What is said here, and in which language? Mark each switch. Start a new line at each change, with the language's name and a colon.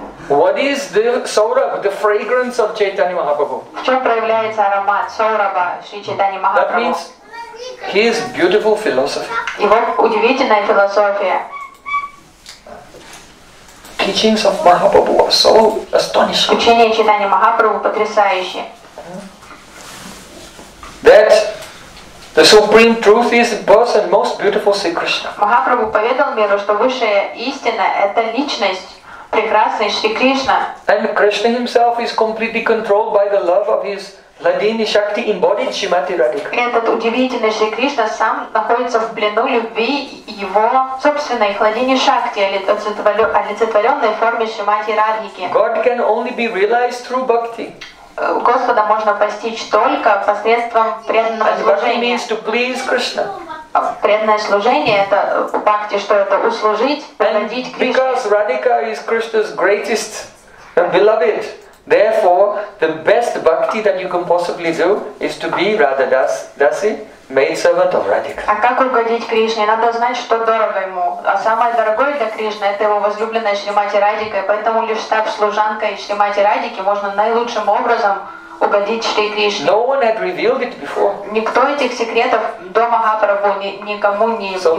English: What is the Saurabha, the fragrance of Chaitanya Mahaprabhu?
Russian: В чем проявляется аромат Саурабха Шри Чайтаньи Махапрабху?
English: That means his beautiful philosophy.
Russian: Его удивительная философия.
English: Teachings of Mahaprabhu are so astonishing.
Russian: Учение Чайтаньи Махапрабху потрясающее.
English: That the supreme truth is the person most beautiful Sri Krishna.
Russian: Махапрабху поведал миру, что высшая истина – это личность. Прекрасный Шри Кришна.
English: And Krishna himself is completely controlled by the love of his Ladini Shakti embodied Shrimati Radhika.
Russian: И этот удивительный Шри Кришна сам находится в плену любви его собственной Ладини Шакти, олицетворенной форме Шримати Радхики.
English: God can only be realized through bhakti.
Russian: Господа можно постичь только посредством преданного служения.
English: And bhakti means to please Krishna.
Russian: Преданное служение — это бхакти, что это услужить, угодить Кришне.
English: Because Radhika is Krishna's greatest beloved, therefore the best bhakti that you can possibly do is to be Radha Dasi, maidservant of Radhika.
Russian: А как угодить Кришне? Надо знать, что дорого ему. А самое дорогое для Кришны — это его возлюбленная Шримати Радика, и поэтому лишь став служанкой Шримати Радики можно наилучшим образом угодить Шри Кришне.
English: No one had revealed it before.
Russian: Никто этих секретов до Махапрабху никому не поведал.